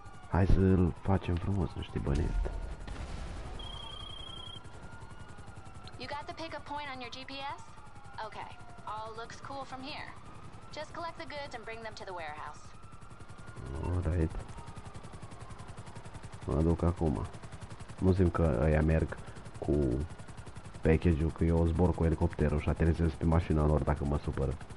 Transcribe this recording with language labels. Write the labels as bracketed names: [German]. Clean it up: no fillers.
[Romanian] Hai să-l facem frumos, nu știi, băniet. [English] You got the pickup point on your GPS? Okay. All looks cool from here. Just collect the goods and bring them to the warehouse. Alright. [Romanian] Mă duc acum. Nu simt că aia merg cu package-ul, că eu zbor cu elicopterul și aterizez pe mașina lor dacă mă supără.